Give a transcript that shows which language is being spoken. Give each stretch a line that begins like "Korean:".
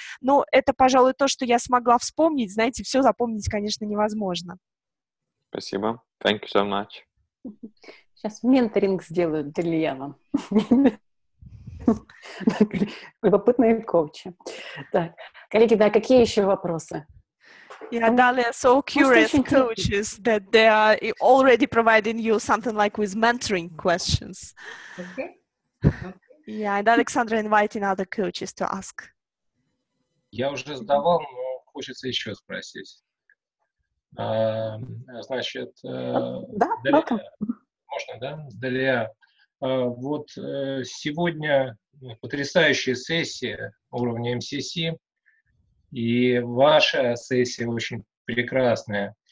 Russian: Но это, пожалуй, то, что я смогла вспомнить. Знаете, все запомнить, конечно, невозможно. Спасибо.
English: Thank you so much.
Russian: Сейчас менторинг сделают для Ильяна. Любопытные коучи. Так, коллеги, да, какие еще вопросы?
English: Yeah, Dalia, so curious coaches that they are already providing you something like with mentoring questions. Okay. Yeah, and Alexandra inviting other coaches to ask.
Russian: Я уже задавал, но хочется еще спросить. Значит, да, Dalia, можно, да, Dalia? Вот сегодня потрясающая сессия уровня MCC, и ваша сессия очень прекрасная.